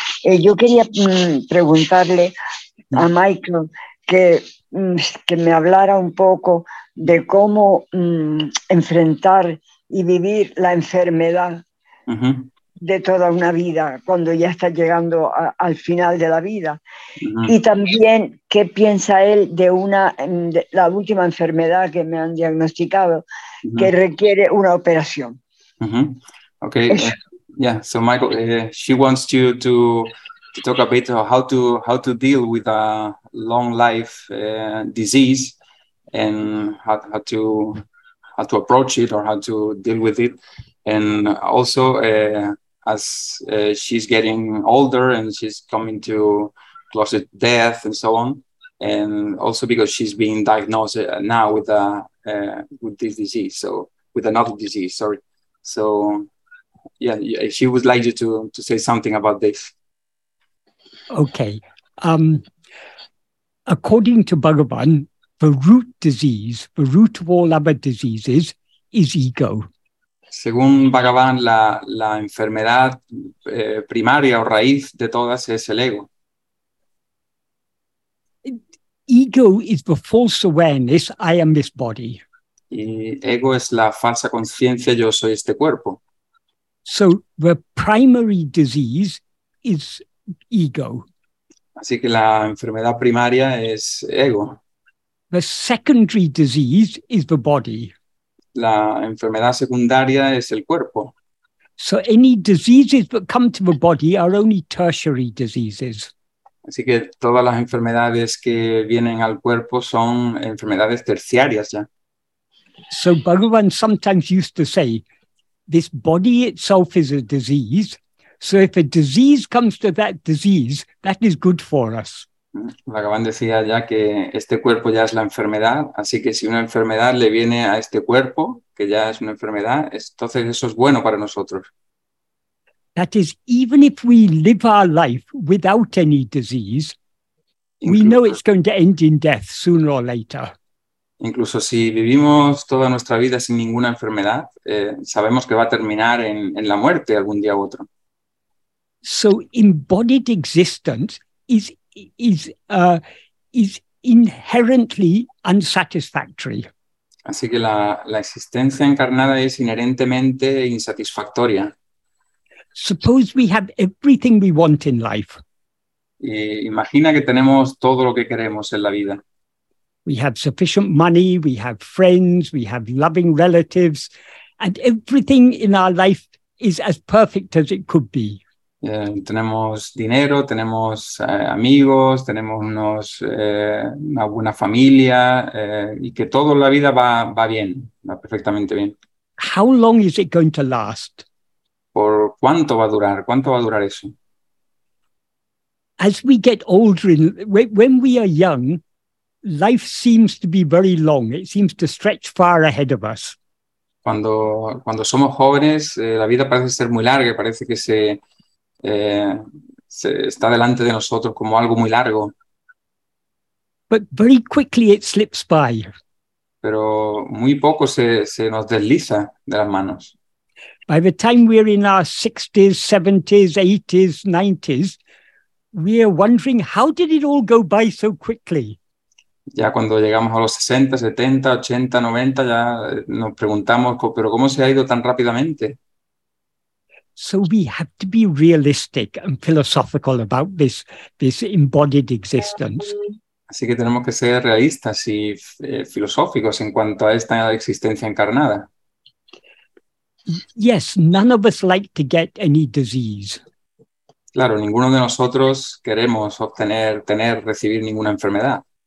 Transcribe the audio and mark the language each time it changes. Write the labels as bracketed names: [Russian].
[Spanish] Yo quería preguntarle a Michael que me hablara un poco de cómo enfrentar y vivir la enfermedad de toda una vida cuando ya está llegando al final de la vida. Y también qué piensa él de la última enfermedad que me han diagnosticado que requiere una operación. [English] Okay, yeah, so Michael, she wants you to talk a bit of how to deal with a long life disease and how to approach it or how to deal with it. And also, she's getting older and she's coming to close to death and so on. And also because she's being diagnosed now with another disease. So yeah, she would like you to say something about this. Okay. According to Bhagavan, the root disease, the root of all other diseases, is ego. [Spanish] Según Bhagavan, la enfermedad primaria o raíz de todas es el ego. [English] Ego is the false awareness, I am this body. [Spanish] Y ego es la falsa conciencia, yo soy este cuerpo. [English] So the primary disease is ego. [Spanish] Así que la enfermedad primaria es ego. [English] The secondary disease is the body. [Spanish] La enfermedad secundaria es el cuerpo. [English] So any diseases that come to the body are only tertiary diseases. [Spanish] Así que todas las enfermedades que vienen al cuerpo son enfermedades terciarias ya. [English] So Bhagavan sometimes used to say, this body itself is a disease. So if a disease comes to that disease, that is good for us. [Spanish] Bhagavan decía ya que este cuerpo ya es la enfermedad, así que si una enfermedad le viene a este cuerpo, que ya es una enfermedad, entonces eso es bueno para nosotros. [English] That is, even if we live our life without any disease, we know it's going to end in death sooner or later. [Spanish] Incluso si vivimos toda nuestra vida sin ninguna enfermedad, sabemos que va a terminar en la muerte algún día u otro. [English] So embodied existence is inherently unsatisfactory. [Spanish] Así que la existencia encarnada es inherentemente insatisfactoria. [English] Suppose we have everything we want in life. [Spanish] Imagina que tenemos todo lo que queremos en la vida. [English] We have sufficient money, we have friends, we have loving relatives, and everything in our life is as perfect as it could be. [Spanish] Tenemos dinero, tenemos amigos, tenemos una buena familia, y que todo en la vida va bien, va perfectamente bien. [English] How long is it going to last? [Spanish] ¿Por cuánto va a durar? ¿Cuánto va a durar eso? [English] As we get older, when we are young, life seems to be very long. It seems to stretch far ahead of us. [Spanish] Cuando somos jóvenes, la vida parece ser muy larga, parece que se está delante de nosotros como algo muy largo. [English] But very quickly it slips by. [Spanish] Pero muy poco se nos desliza de las manos. [English] By the time we're in our 60s, 70s, 80s, 90s, we're wondering how did it all go by so quickly? [Spanish] Ya cuando llegamos a los 60, 70, 80, 90, ya nos preguntamos, pero ¿cómo se ha ido tan rápidamente? [English] So we have to be realistic and philosophical about this embodied existence. [Spanish] Así que tenemos que ser realistas y filosóficos en cuanto a esta existencia encarnada. [English] Yes, none of us like to get any disease. [Spanish] Claro, ninguno de nosotros queremos obtener, tener, recibir ninguna enfermedad.